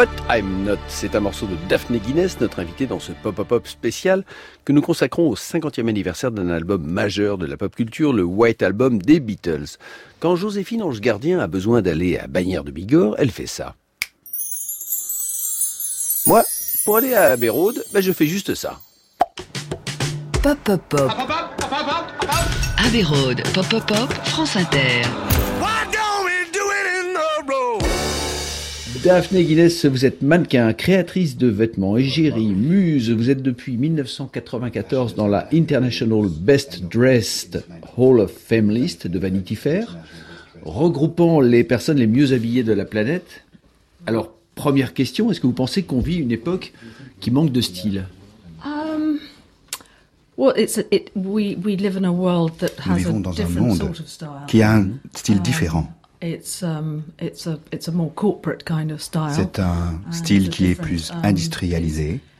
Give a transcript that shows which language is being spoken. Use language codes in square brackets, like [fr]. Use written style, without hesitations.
[fr] I'm Not, c'est un morceau de Daphné Guinness, notre invitée dans ce pop-up-up spécial que nous consacrons au 50e anniversaire d'un album majeur de la pop culture, le White Album des Beatles. Quand Joséphine Ange-Gardien a besoin d'aller à Bagnères-de-Bigorre, elle fait ça. Moi, pour aller à Abbey Road, ben je fais juste ça. Pop-up-up. Abbey Road, pop-up-up, France Inter. Daphné Guinness, vous êtes mannequin, créatrice de vêtements, égérie, muse. Vous êtes depuis 1994 dans la International Best Dressed Hall of Fame List de Vanity Fair, regroupant les personnes les mieux habillées de la planète. Alors, première question, est-ce que vous pensez qu'on vit une époque qui manque de style? [en] We live in a world that has [fr] nous vivons dans [en] a different [fr] un monde [en] sort of style. [fr] Qui a un style différent. [en] It's a more corporate kind of style. [fr] C'est un style qui est plus industrialisé.